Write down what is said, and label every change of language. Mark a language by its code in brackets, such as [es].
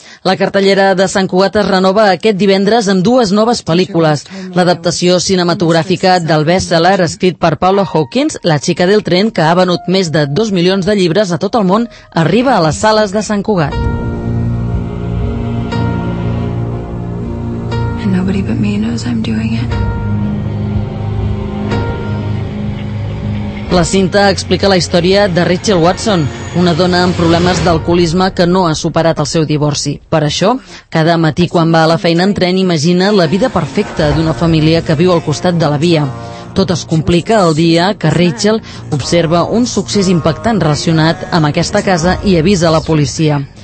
[ca] La cartellera de Sant Cugat es renova aquest divendres amb dues noves pel·lícules. L'adaptació cinematogràfica del best-seller escrit per Paula Hawkins, La xica del tren, que ha venut més de 2 milions de llibres a tot el món, arriba a les sales de Sant Cugat. [en] Nobody but me knows I'm doing it. [ca] La cinta explica la història de Rachel Watson, una dona amb problemes d'alcoholisme que no ha superat el seu divorci. Per això, cada matí quan va a la feina en tren imagina la vida perfecta d'una família que viu al costat de la via. Tot es complica el dia que Rachel observa un succés impactant relacionat amb aquesta casa i avisa la policia.